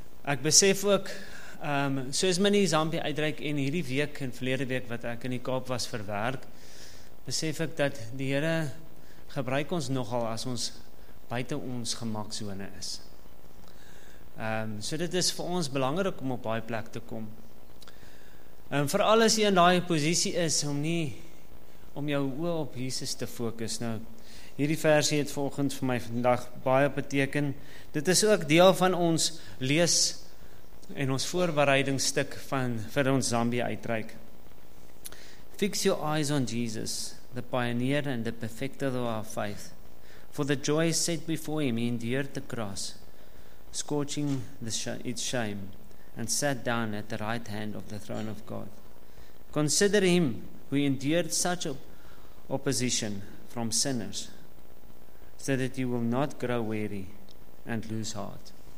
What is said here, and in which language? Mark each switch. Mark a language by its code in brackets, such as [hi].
[af] Ek besef ook, soos my die Zambië uitreik en hierdie week en verlede week wat ek in die Kaap was vir werk, besef ek dat die Here gebruik ons nogal as ons buiten ons gemaksone is. So dit is vir ons belangrik om op die plek te kom. Voor alles jy in die posiesie is om nie om jou oë op Jesus te fokus. Nou, hierdie versie het volgend vir my vandag baie beteken. Dit is ook deel van ons lees en ons voorbereidingsstuk vir ons Zambië uitreik. [en] Fix your eyes on Jesus, the pioneer and the perfecter of our faith. For the joy set before him, he endured the cross, scorching its shame, and sat down at the right hand of the throne of God. Consider him who endured such opposition from sinners, so that you will not grow weary and lose heart.